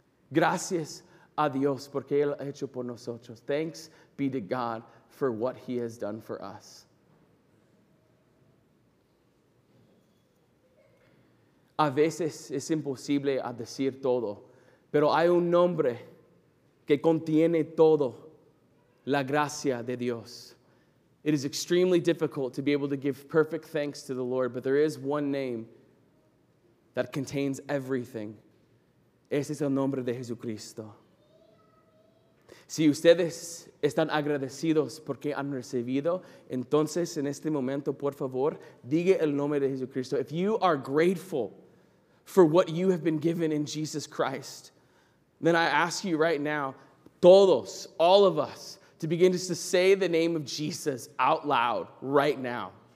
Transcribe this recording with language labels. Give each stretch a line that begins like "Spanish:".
Spanish: Gracias a Dios porque Él ha hecho por nosotros.
English: Thanks be to God for what He has done for us.
Spanish: A veces es imposible a decir todo, pero hay un nombre que contiene todo, la gracia de Dios.
English: It is extremely difficult to be able to give perfect thanks to the Lord, but there is one name that contains everything.
Spanish: Ese es el nombre de Jesucristo. Si ustedes están agradecidos porque han recibido, entonces en este momento, por favor, diga el nombre de Jesucristo.
English: If you are grateful for what you have been given in Jesus Christ, then I ask you right now,
Spanish: todos,
English: all of us, to begin just to say the name of Jesus out loud right now.